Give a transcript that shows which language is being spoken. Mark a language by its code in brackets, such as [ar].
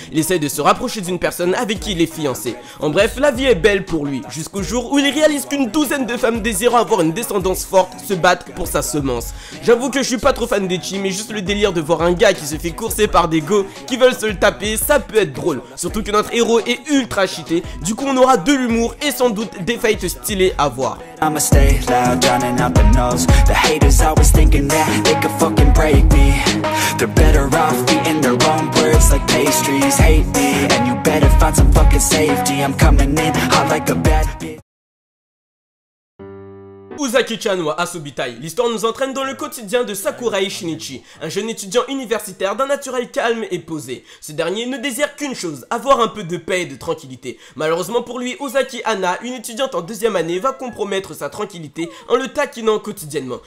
[fr] Il essaie de se rapprocher d'une personne avec qui il est fiancé. En bref, la vie est belle pour lui, jusqu'au jour où il réalise qu'une douzaine de femmes désirant avoir une descendance forte se battent pour sa semence. J'avoue que je suis pas trop fan d'Echi, mais juste le délire de voir un gars qui se fait courser par des go qui veulent se le taper, ça peut être drôle. Surtout que notre héros est ultra cheaté, du coup on aura de l'humour et sans doute des fights stylées à voir. [en] I'ma stay loud, drowning out the nose. The haters always thinking that they could fucking break me. They're better off eating their own words like pastries. Hate me, and you better find some fucking safety. I'm coming in hot like a bad bitch. [ja] Uzaki-chan wa Asobitai. [fr] L'histoire nous entraîne dans le quotidien de Sakurai Shinichi, un jeune étudiant universitaire d'un naturel calme et posé. Ce dernier ne désire qu'une chose, avoir un peu de paix et de tranquillité. Malheureusement pour lui, Ozaki Anna, une étudiante en deuxième année, va compromettre sa tranquillité en le taquinant quotidiennement.